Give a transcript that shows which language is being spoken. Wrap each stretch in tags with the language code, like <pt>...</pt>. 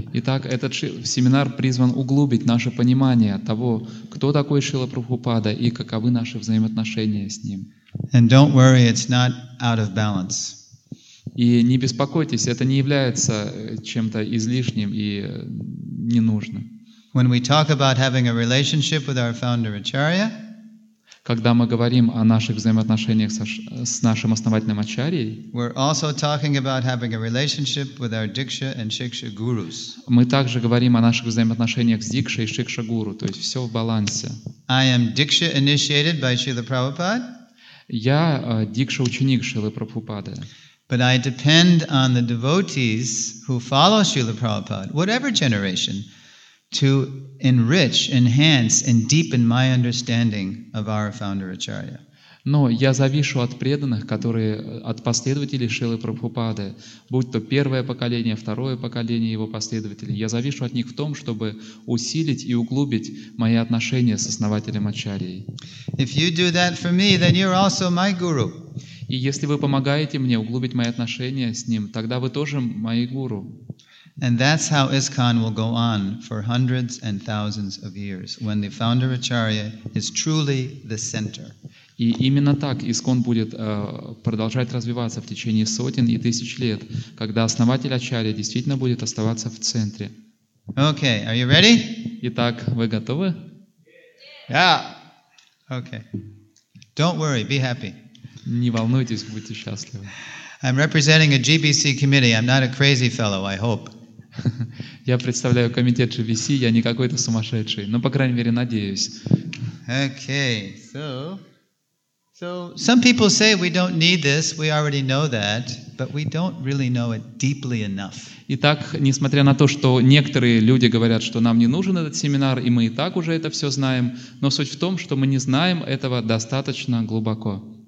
<ru>Итак, этот семинар призван углубить наше понимание того, кто такой Шрила Прабхупада и каковы наши взаимоотношения с ним.</ru> <en>And don't worry, it's not out of balance.</en> <ru>И не беспокойтесь, это не является чем-то излишним и ненужным.</ru> <en>When we talk about having a relationship with our founder Acharya,</en> <ru>когда мы говорим о наших взаимоотношениях с нашим основателем Ачарьей,</ru> <en>we're also talking about having a relationship with our Diksha and Shiksha gurus.</en> <ru>Мы также говорим о наших взаимоотношениях с Дикшей и Шикша гуру, то есть все в балансе.</ru> <en>I am Diksha initiated by Srila Prabhupada.</en> <ru>Я Дикша ученик Шрилы Прабхупады.</ru> <en>But I depend on the devotees who follow Srila Prabhupada, whatever generation, to enrich, enhance, and deepen my understanding of our founder Acharya.</en> <ru>Но я завишу от преданных, которые от последователей Шрилы Прабхупады, будь то первое поколение, второе поколение его последователей. Я завишу от них в том, чтобы усилить и углубить мои отношения с основателем Ачарьей.</ru> <en>If you do that for me, then you're also my guru.</en> <ru>И если вы помогаете мне углубить мои отношения с ним, тогда вы тоже мои гуру.</ru> <en>And that's how ISKCON will go on for hundreds and thousands of years, when the founder Acharya is truly the center.</en> <ru>И именно так ИСККОН будет продолжать развиваться в течение сотен и тысяч лет, когда основатель Ачарья действительно будет оставаться в центре.</ru> <en>Okay, are you ready?</en> <ru>Итак, вы готовы?</ru> <en>Yeah. Okay. Don't worry, be happy.</en> <ru>Не волнуйтесь, будьте счастливы.</ru> <en>I'm representing a GBC committee. I'm not a crazy fellow, I hope.</en> <ru>Я представляю комитет GBC, я не какой-то сумасшедший, но, по крайней мере, надеюсь.</ru> <en>Okay, so... So some people say we don't need this, we already know that, but we don't really know it deeply enough.</en> <ru>Итак, несмотря на то, что некоторые люди говорят, что нам не нужен этот семинар, и мы и так уже это все знаем, но суть в том, что мы не знаем этого достаточно глубоко.</ru>